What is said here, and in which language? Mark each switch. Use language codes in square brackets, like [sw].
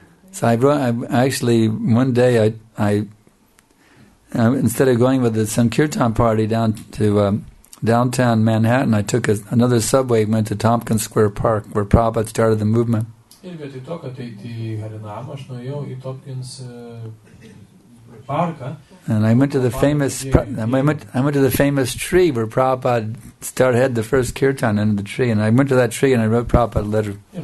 [en] So I instead of going with the Sankirtan party down to downtown Manhattan, I took another subway and went to Tompkins Square Park, where Prabhupada started the movement. [lt] Ir vietoj to, kad eiti į Harinamą, aš nuėjau į Tompkins parką. [en] And I went to the famous I went to the famous tree where Prabhupada started had the first kirtan under the tree, and I went to that tree and I wrote Prabhupada a letter.